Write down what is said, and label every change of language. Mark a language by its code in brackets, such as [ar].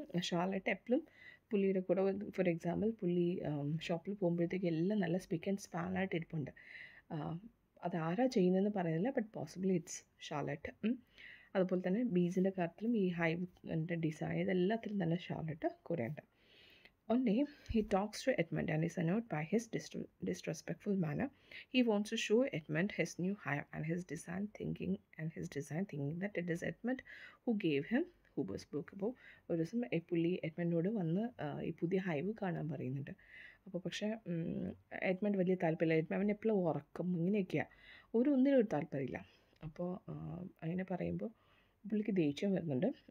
[ml] Charlotte എപ്പോഴും പുള്ളിയുടെ കൂടെ, ഫോർ എക്സാമ്പിൾ പുള്ളി ഷോപ്പിൽ പോകുമ്പോഴത്തേക്ക് എല്ലാം നല്ല സ്പിക്ക് ആൻഡ് സ്പാൻ ആയിട്ട് ഇരിപ്പുണ്ട്. അത് ആരാ ചെയ്യുന്നതെന്ന് പറയുന്നില്ല, [en] But possibly it's Charlotte. [ml] അതുപോലെ തന്നെ ബീസിൻ്റെ കാര്യത്തിലും ഈ ഹൈവിൻ്റെ ഡിസൈൻ ഇതെല്ലാത്തിലും തന്നെ Charlotte കുറയുണ്ട്. [en] One day, he talks to Edmund and is annoyed by his disrespectful manner. He wants to show Edmund his new hire and his design thinking that it is Edmund who gave him Huber's book. [ml] അപ്പോൾ ഒരു ദിവസം ഈ പുള്ളി എഡ്മണ്ടിനോട് വന്ന് ഈ പുതിയ hive കാണാൻ പറയുന്നുണ്ട്. അപ്പോൾ പക്ഷേ എഡ്മണ്ട് വലിയ താല്പര്യമില്ല, എഡ്മണ്ട് അവൻ എപ്പോഴും ഉറക്കും ഇങ്ങനെയൊക്കെയാണ്, ഒരു ഒന്നിനും ഒരു താല്പര്യമില്ല. അപ്പോൾ അങ്ങനെ പറയുമ്പോൾ പുള്ളിക്ക് ദേഷ്യം വരുന്നുണ്ട്.